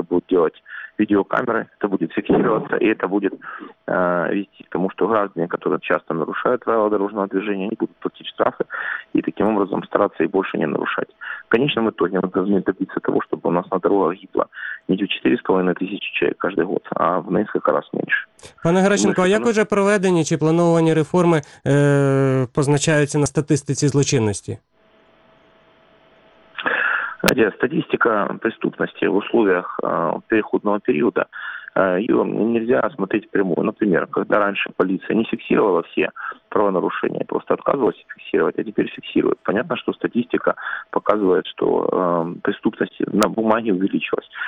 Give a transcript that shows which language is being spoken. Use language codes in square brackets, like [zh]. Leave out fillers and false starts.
[ru] Это будут делать видеокамеры, это будет фиксироваться, и это будет вести к тому, что граждане, которые часто нарушают правила дорожного движения, они будут платить штрафы и таким образом стараться и больше не нарушать. В конечном итоге мы должны добиться того, чтобы у нас на дорогах гибло не 4,5 тысячи человек каждый год, а в несколько раз меньше. [uk] Пане Геращенко, а як уже проведені чи плановані реформи позначаються на статистиці злочинності? [ru] Знаете, статистика преступности в условиях переходного периода, ее нельзя смотреть прямую. Например, когда раньше полиция не фиксировала все правонарушения, просто отказывалась фиксировать, а теперь фиксирует. Понятно, что статистика показывает, что преступность на бумаге увеличилась.